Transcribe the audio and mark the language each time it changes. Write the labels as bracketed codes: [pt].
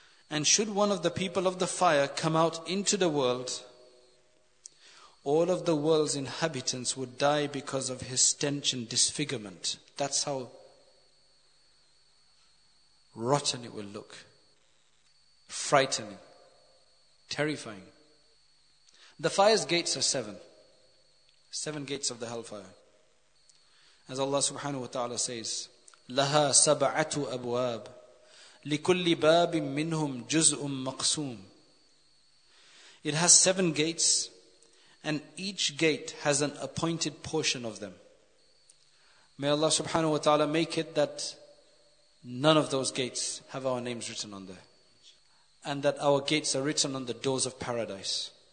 [en] And should one of the people of the fire come out into the world, all of the world's inhabitants would die because of his stench and disfigurement. That's how rotten it will look. Frightening. Terrifying. The fire's gates are seven. Seven gates of the hellfire. As Allah subhanahu wa ta'ala says, [ar] لَهَا سَبْعَةُ أَبْوَابٍ لِكُلِّ بَابٍ مِّنْهُمْ جُزْءٌ مَقْسُومٌ. [en] It has seven gates, and each gate has an appointed portion of them. May Allah subhanahu wa ta'ala make it that none of those gates have our names written on there, and that our gates are written on the doors of paradise.